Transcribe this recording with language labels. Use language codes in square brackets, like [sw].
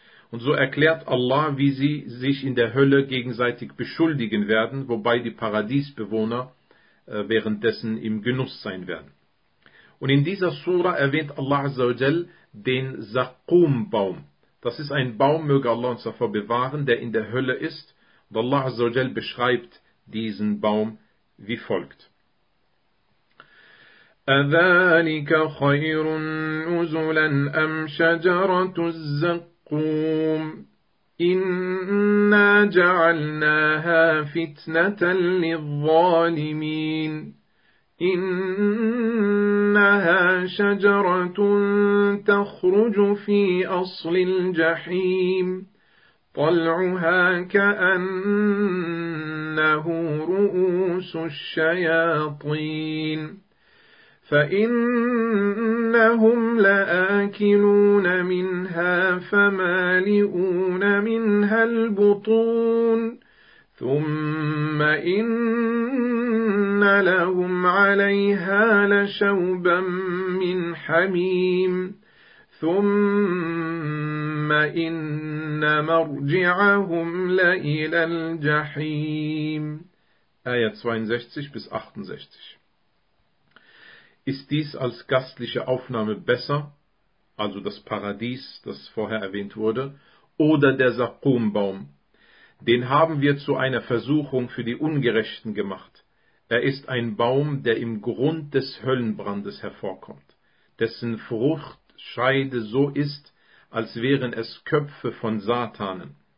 [de] Und so erklärt Allah, wie sie sich in der Hölle gegenseitig beschuldigen werden, wobei die Paradiesbewohner währenddessen im Genuss sein werden. Und in dieser Sura erwähnt Allah Azza wa Jal den Zakkum-Baum. Das ist ein Baum, möge Allah uns davor bewahren, der in der Hölle ist. Und Allah Azza wa Jal beschreibt diesen Baum wie folgt. [ar] أَذَلِكَ خَيْرٌ نُزُلًا أَمْ شَجَرَةُ الزَّقُّومِ إنا جعلناها فتنة للظالمين إنها شجرة تخرج في أصل الجحيم طلعها كأنه رؤوس الشياطين فإنهم لآكلون منها فمالئون منها البطون ثم إن لهم عليها لشوبا من حميم ثم إن مرجعهم لإلى الجحيم [de] آية 62 bis 68. Ist dies als gastliche Aufnahme besser, also das Paradies, das vorher erwähnt wurde, oder der Zakkum-Baum? Den haben wir zu einer Versuchung für die Ungerechten gemacht. Er ist ein Baum, der im Grund des Höllenbrandes hervorkommt, dessen Fruchtscheide so ist, als wären es Köpfe von Satanen.